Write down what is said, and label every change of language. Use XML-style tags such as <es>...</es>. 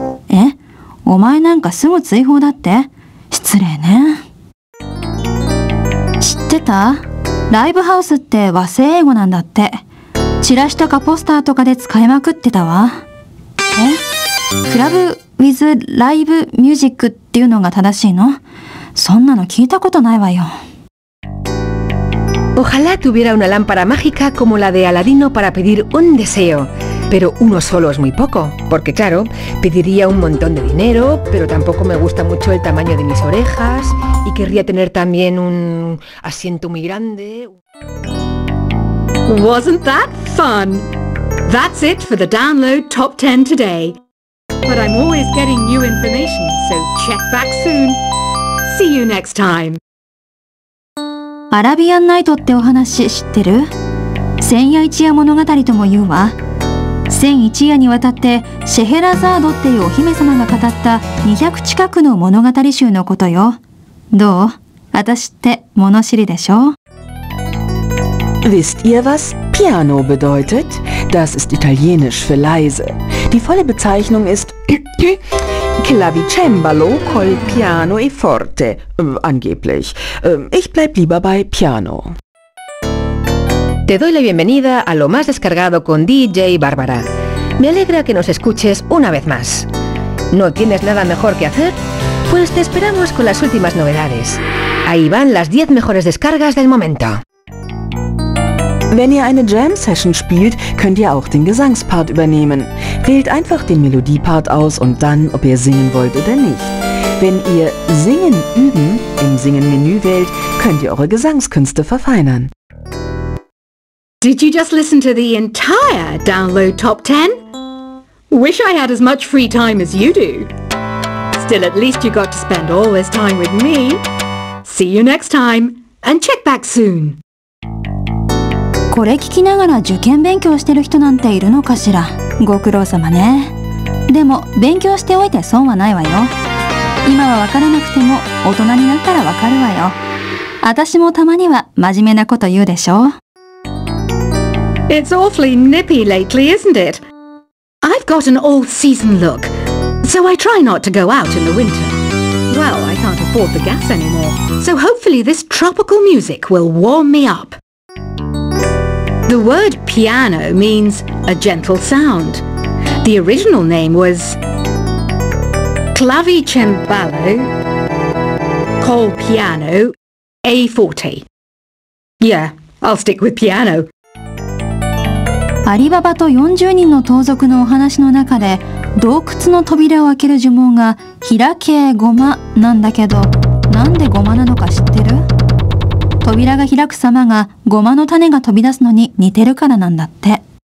<ja>え、お前なんかすぐ追放だって。失礼ね。知ってた？ライブハウスって和製英語なんだって。チラシとかポスターとかで使いまくってたわ。え、クラブ</ja> <en>With live music</en> <ja>っていうのが正しいの？そんなの聞いたことないわよ。</ja> <es>Ojalá tuviera una lámpara mágica como la de Aladino para pedir un deseo. Pero uno solo es muy poco. Porque claro, pediría un montón de dinero, pero tampoco me gusta mucho el tamaño de mis orejas y querría tener también un asiento muy grande.</es> <en>Wasn't that fun? That's it for the download top 10 today. But I'm always getting new information, so check back soon. See you next time.</en> <ja>アラビアンナイトってお話知ってる？千夜一夜物語とも言うわ。千一夜にわたってシェヘラザードっていうお姫様が語った200近くの物語集のことよ。どう？私って物知りでしょ？</ja> <de>Wisst ihr, was Piano bedeutet? Das ist Italienisch für leise. Die volle Bezeichnung ist Clavicembalo col piano e forte, angeblich. Ich bleib lieber bei Piano.</de> <es>Te doy la bienvenida a lo más descargado con DJ Bárbara. Me alegra que nos escuches una vez más. ¿No tienes nada mejor que hacer? Pues te esperamos con las últimas novedades. Ahí van las 10 mejores descargas del momento.</es> <de>Wenn ihr eine Jam-Session spielt, könnt ihr auch den Gesangspart übernehmen. Wählt einfach den Melodiepart aus und dann, ob ihr singen wollt oder nicht. Wenn ihr Singen üben im Singen-Menü wählt, könnt ihr eure Gesangskünste verfeinern.</de> <en>Did you just listen to the entire Download Top 10? Wish I had as much free time as you do. Still, at least you got to spend all this time with me. See you next time and check back soon.</en> <ja>これ聞きながら受験勉強してる人なんているのかしら。ご苦労様ね。でも勉強しておいて損はないわよ。今は分からなくても大人になったら分かるわよ。私もたまには真面目なこと言うでしょ。</ja> <en>It's awfully nippy lately, isn't it? I've got an all-season look, so I try not to go out in the winter. Well, I can't afford the gas anymore. So hopefully this tropical music will warm me up. The word piano means a gentle sound. The original name was clavicembalo, col piano, a forte. Yeah, I'll stick with piano.</en> <ja>アリババと40人の盗賊のお話の中で、洞窟の扉を開ける呪文が開けごまなんだけど、なんでごまなのか知ってる？扉が開く様がごまの種が飛び出すのに似てるからなんだって。</ja>